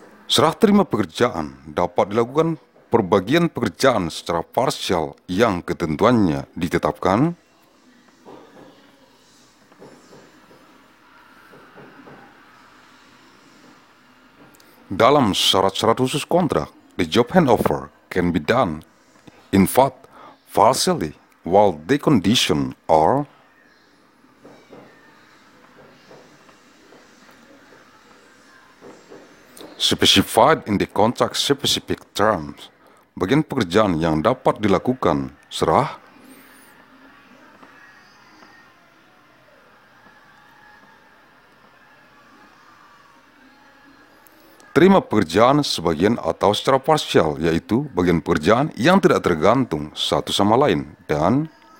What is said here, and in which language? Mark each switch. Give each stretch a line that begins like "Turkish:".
Indonesian: Serah terima pekerjaan dapat dilakukan perbagian pekerjaan secara parsial yang ketentuannya ditetapkan dalam syarat-syarat khusus kontrak.
English: The job handover can be done in fact partially while the condition are specified in the contract specific terms.
Indonesian: Bagian pekerjaan yang dapat dilakukan serah terima pekerjaan sebagian atau secara parsial, yaitu bagian pekerjaan yang tidak tergantung satu sama lain, dan